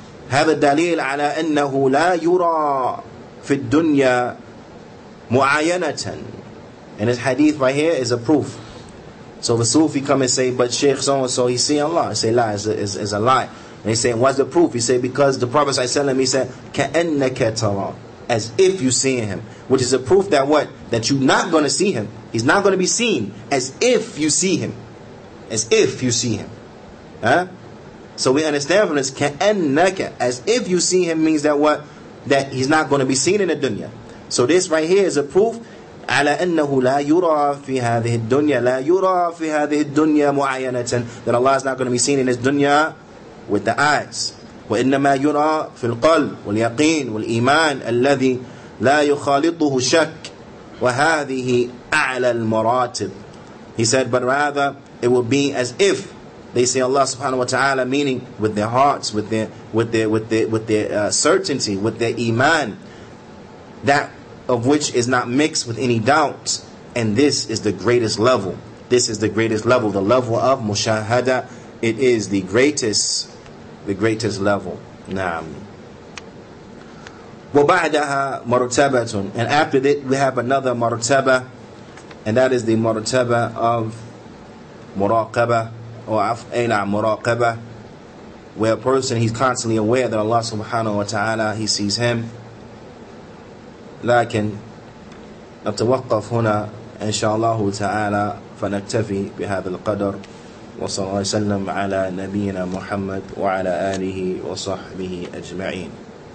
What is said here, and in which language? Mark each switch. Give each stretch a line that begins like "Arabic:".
Arabic: هذا الدليل على أنه لا يرى في الدنيا معاينة.
English: And his hadith right here is a proof. So the Sufi come and say, but Shaykh so-and-so, he's seeing Allah. He say, la, it's a lie. And he say, what's the proof? He say, because the Prophet ﷺ, he said,
Arabic: كَأَنَّكَ تَرَى,
English: as if you're seeing him. Which is a proof that what? That you're not going to see him. He's not going to be seen. As if you see him. As if you see him. Huh? So we understand from this, كَأَنَّكَ, as if you see him, means that what? That he's not going to be seen in the dunya. So this right here is a proof
Arabic: على أنه لا يرى في هذه الدنيا لا يرى في هذه الدنيا معينة,
English: that Allah is not going to be seen in this dunya with the eyes.
Arabic: وإنما يرى في القلب واليقين والإيمان الذي لا يخالطه شك وهذه أعلى المراتب.
English: He said, but rather it will be as if they say Allah subhanahu wa ta'ala, meaning with their hearts, with their certainty, with their iman, that of which is not mixed with any doubt. And this is the greatest level. This is the greatest level. The level of mushahada. It is the greatest. The greatest level. Naam.
Arabic: وَبَعْدَهَا مَرْتَبَةٌ.
English: And after that we have another مَرْتَبَة. And that is the مَرْتَبَة of مُرَاقَبَة.
Arabic: Or أَيْلَع مُرَاقَبَة.
English: Where a person, he's constantly aware that Allah subhanahu wa ta'ala, he sees him.
Arabic: لكن نتوقف هنا إن شاء الله تعالى فنكتفي بهذا القدر وصلى الله وسلم على نبينا محمد وعلى آله وصحبه أجمعين.